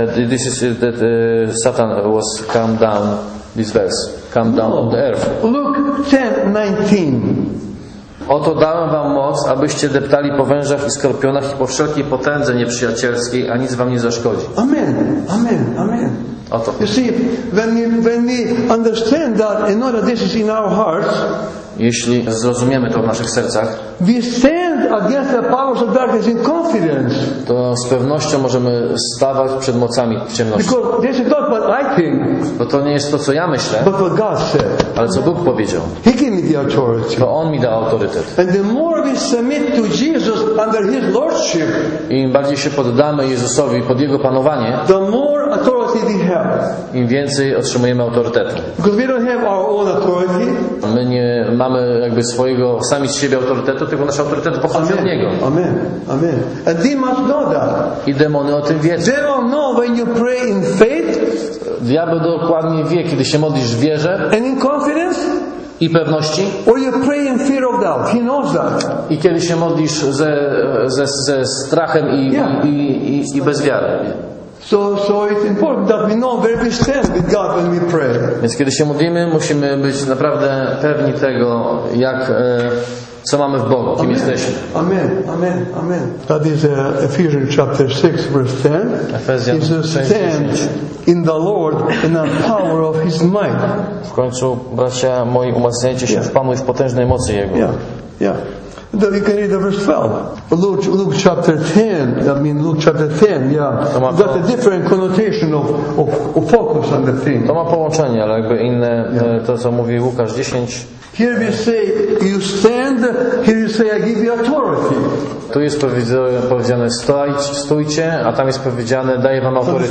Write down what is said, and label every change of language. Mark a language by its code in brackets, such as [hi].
[en] This is that Satan was come down. This verse come down on the earth. Luke 10:19. [pl] Oto dałem wam moc, abyście deptali po wężach i skorpionach i po wszelkiej potędze nieprzyjacielskiej, a nic wam nie zaszkodzi. [en] Amen. Amen. Amen. [pl] Oto. [en] You see, when we understand that and know that this is in our hearts, [pl] jeśli zrozumiemy to w naszych sercach, [en] we stand against the powers of darkness in confidence. [pl] To z pewnością możemy stawać przed mocami w ciemności. [en] Because this is not what I think. [pl] Bo to nie jest to, co ja myślę, [en] but what God said. [pl] Ale co Bóg powiedział. [en] He gave me the authority. [pl] To On mi dał autorytet. [en] And the more we submit to Jesus under His lordship, [pl] im bardziej się poddamy Jezusowi pod Jego panowanie, [en] the more authority we have. [pl] Im więcej otrzymujemy autorytetu. [en] Because we don't have our own authority. [pl] My nie mamy jakby swojego sami z siebie autorytetu, tylko nasz autorytet pochodzi od Niego. [en] Amen. Amen. And they must know that. [pl] I demony o tym wiedzą. [en] They don't know when you pray in faith. [pl] Diabeł dokładnie wie, kiedy się modlisz w wierze. [en] And in confidence. [pl] I pewności. [en] Or you pray in fear of doubt. He knows that. [pl] I kiedy się modlisz ze strachem i, yeah. I bez wiary. [en] So it's important that we know where we stand with God when we pray. [pl] Więc kiedy się modlimy, musimy być naprawdę pewni tego, jak co mamy w Bogu, kim [en] amen. [pl] Jesteśmy. [en] Amen. Amen. Amen. That is Ephesians chapter 6 verse 10. Ephesians 6:10. Stand in the Lord in the power of His might. [pl] W końcu, bracia moi, umacniajcie się w Panu i w potężnej mocy Jego. [en] Yeah. Yeah. Then we can read the verse 12. Luke chapter 10. I mean Luke chapter 10. Yeah. That's a different connotation of focus on the thing. [pl] To ma połączenie, ale jakby inne to, co mówi Łukasz 10. [en] Here we say you stand. Here you say I give you authority. [pl] Tu jest powiedziane stójcie, a tam jest powiedziane daję wam autorytet.